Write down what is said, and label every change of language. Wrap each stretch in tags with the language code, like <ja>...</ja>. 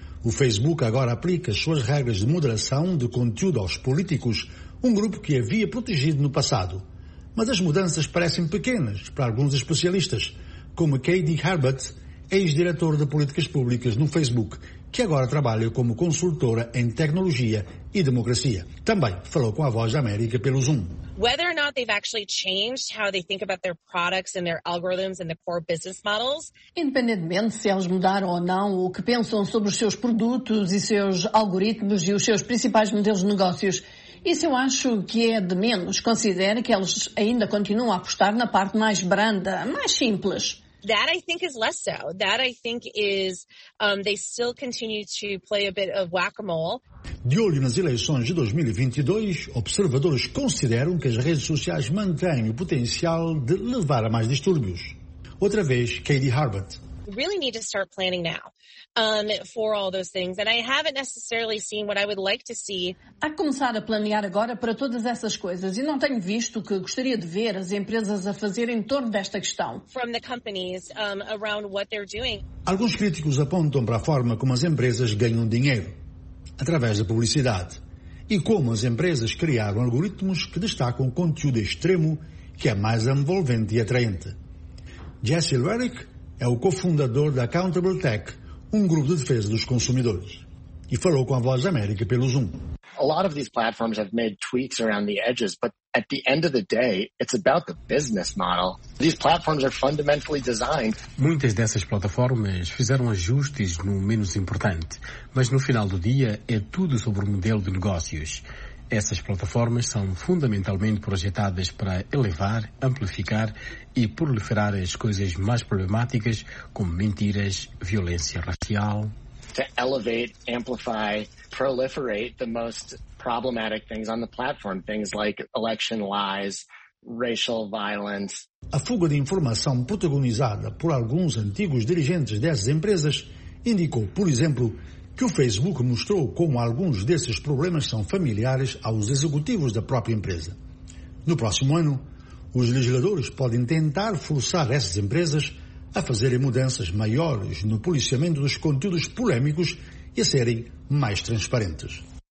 <pt>O Facebook agora aplica as suas regras de moderação de conteúdo aos políticos, um grupo que havia protegido no passado. Mas as mudanças parecem pequenas para alguns especialistas, como Katie Herbert, ex-diretor de políticas públicas no Facebook, que agora trabalha como consultora em tecnologia e democracia. Também falou com a Voz da América pelo Zoom.</pt> <en>Whether or not they've actually changed how they think about their products and their algorithms and the core business models.</en> <pt>Independentemente se eles mudaram ou não o que pensam sobre os seus produtos e seus algoritmos e os seus principais modelos de negócios. Isso eu acho que é de menos. Considero que eles ainda continuam a apostar na parte mais branda, mais simples.</pt> <en>That I think is less so. That I think is they still continue to play a bit of whack-a-mole.</en> <pt>De olho nas eleições de 2022, observadores consideram que as redes sociais mantêm o potencial de levar a mais distúrbios. Outra vez, Katie Harbert.</pt> <en>We really need to start planning now for all those things, and I haven't necessarily seen what I would like to see.</en> <pt>A começar a planear agora para todas essas coisas, e não tenho visto o que gostaria de ver as empresas a fazer em torno desta questão.</pt> <en>From the companies around what they're doing.</en> <pt>Alguns críticos apontam para a forma como as empresas ganham dinheiro através da publicidade e como as empresas criaram algoritmos que destacam conteúdo extremo que é mais envolvente e atraente. Jesse Lurick é o cofundador da Accountable Tech, um grupo de defesa dos consumidores, e falou com a Voz da América pelo Zoom.</pt> <en>A lot of these platforms have made tweaks around the edges, but at the end of the day, it's about the business model. These platforms are fundamentally designed.</en> <pt>Muitas dessas plataformas fizeram ajustes no menos importante, mas no final do dia é tudo sobre o modelo de negócios. Essas plataformas são fundamentalmente projetadas para elevar, amplificar e proliferar as coisas mais problemáticas, como mentiras, violência racial.</pt> <en>To elevate, amplify, proliferate the most problematic things on the platform, things like election lies, racial violence.</en> <pt>A fuga de informação protagonizada por alguns antigos dirigentes dessas empresas indicou, por exemplo, que o Facebook mostrou como alguns desses problemas são familiares aos executivos da própria empresa. No próximo ano, os legisladores podem tentar forçar essas empresas a fazerem mudanças maiores no policiamento dos conteúdos polémicos e a serem mais transparentes.</pt>